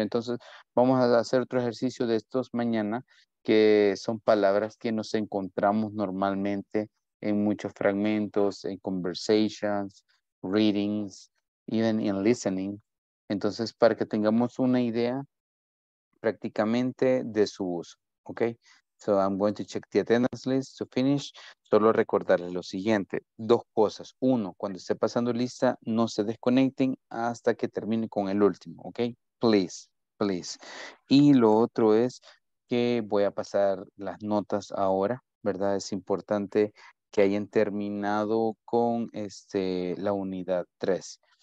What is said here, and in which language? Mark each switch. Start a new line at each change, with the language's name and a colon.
Spanish: Entonces, vamos a hacer otro ejercicio de estos mañana, que son palabras que nos encontramos normalmente en muchos fragmentos, en
English: conversations, readings, even in listening.
Spanish: Entonces, para que tengamos una idea prácticamente de su uso, ¿ok?
English: So I'm going to check the attendance list to finish.
Spanish: Solo recordarles lo siguiente. Dos cosas. Uno, cuando esté pasando lista, no se desconecten hasta que termine con el último. ¿Ok?
English: Please, please.
Spanish: Y lo otro es que voy a pasar las notas ahora, ¿verdad? Es importante que hayan terminado con la unidad 3.